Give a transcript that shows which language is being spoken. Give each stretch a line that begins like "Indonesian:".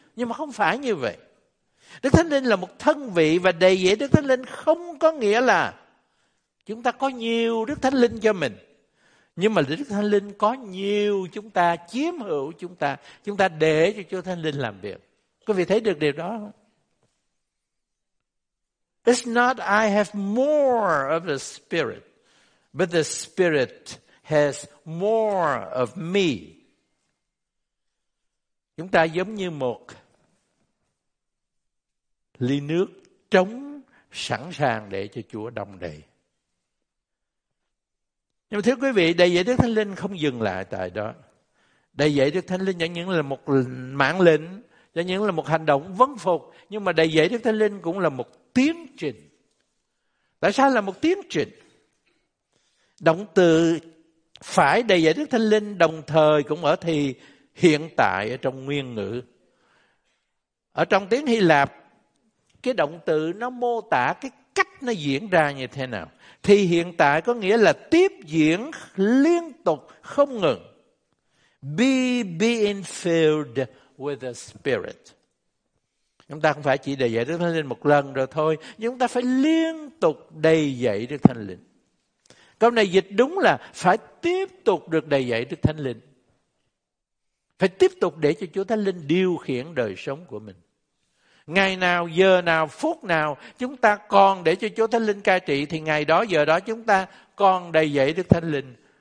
Vietnamese: Nhưng mà không phải như vậy. Đức Thánh Linh là một thân vị, và đầy dẫy Đức Thánh Linh không có nghĩa là chúng ta có nhiều Đức Thánh Linh cho mình. Nhưng mà Đức Thánh Linh có nhiều chúng ta, chiếm hữu chúng ta. Chúng ta để cho Chúa Thánh Linh làm việc. Quý vị thấy được điều đó không?
English: It's not I have more of the Spirit, but the Spirit has more of me.
Vietnamese: Chúng ta giống như một ly nước trống sẵn sàng để cho Chúa đong đầy. Nhưng mà thưa quý vị, đầy dẫy Đức Thánh Linh không dừng lại tại đó. Đầy dẫy Đức Thánh Linh chẳng những là một mạng lệnh, chẳng những là một hành động vâng phục, nhưng mà đầy dẫy Đức Thánh Linh cũng là một tiến trình. Tại sao là một tiến trình? Động từ phải đầy dạy Đức Thánh Linh đồng thời cũng ở thì hiện tại ở trong nguyên ngữ. Ở trong tiếng Hy Lạp, cái động từ nó mô tả cái cách nó diễn ra như thế nào. Thì hiện tại có nghĩa là tiếp diễn liên tục, không ngừng.
English: Be being filled with the Spirit.
Vietnamese: Chúng ta không phải chỉ đầy dạy Đức Thánh Linh một lần rồi thôi, nhưng chúng ta phải liên tục đầy dạy Đức Thánh Linh. Câu này dịch đúng là phải tiếp tục được đầy dạy Đức Thánh Linh. Phải tiếp tục để cho Chúa Thánh Linh điều khiển đời sống của mình. Ngày nào, giờ nào, phút nào chúng ta còn để cho Chúa Thánh Linh cai trị thì ngày đó, giờ đó chúng ta còn đầy dạy Đức Thánh Linh.